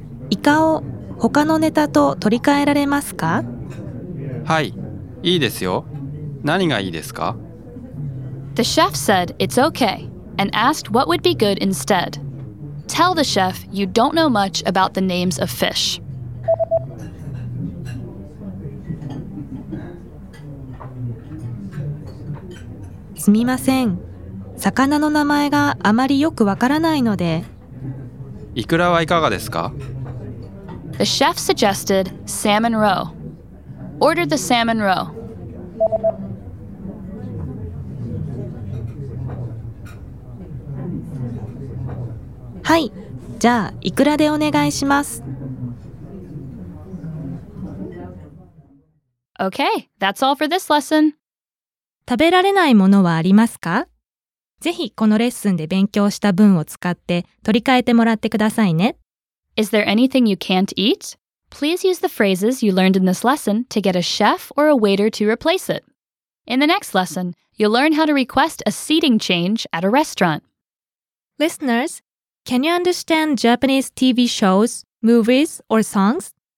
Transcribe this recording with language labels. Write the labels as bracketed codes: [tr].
[ja] イカを他のネタと取り替えられますか? はい、いいですよ。何がいいですか? [en] The chef said it's okay and asked what would be good instead. Tell the chef you don't know much about the names of fish. [ja] すみません。魚の名前があまりよくわからないので。イクラはいかがですか? [en] The chef suggested salmon roe. Order the salmon roe. [ja] はい、じゃあイクラでお願いします。 [en] Okay, that's all for this lesson. [ja] 食べられないものはありますか?ぜひこのレッスンで勉強した文を使って取り替えてもらってくださいね。 [en] Is there anything you can't eat? Please use the phrases you learned in this lesson to get a chef or a waiter to replace it. In the next lesson, you'll learn how to request a seating change at a restaurant. Listeners, can you understand Japanese TV shows, movies, or songs?